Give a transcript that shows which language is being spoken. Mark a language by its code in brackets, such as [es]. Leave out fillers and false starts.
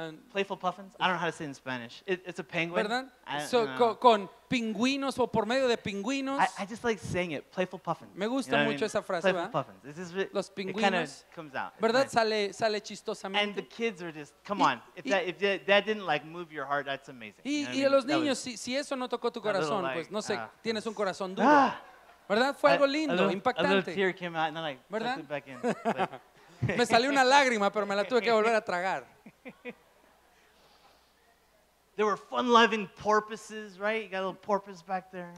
[en] playful puffins. I don't know how to say it in Spanish. It's a penguin. [es] ¿Verdad? So con pingüinos o por medio de pingüinos. [en] I just like saying it. Playful puffins. [es] Me gusta, [en] you know, [es] mucho, [en] I mean, [es] esa frase. [en] Playful, [es] ¿verdad? [en] Puffins. This is really, [es] los pingüinos. [en] It kind of comes out. [es] ¿Verdad? [en] Nice. [es] Sale chistosamente. [en] And the kids are just, come on. If that didn't like move your heart, that's amazing. [es] Y, [en] you know, [es] y [en] mean? [es] Los niños, [en] was, [es] si eso no tocó tu corazón, pues no sé. Tienes un corazón duro. ¿Verdad? Fue algo lindo, impactante. [en] A little tear came out, and then I put it back in. [es] Me salió una lágrima, pero me la tuve que volver a tragar. [en] There were fun-loving porpoises, right? You got a little porpoise back there.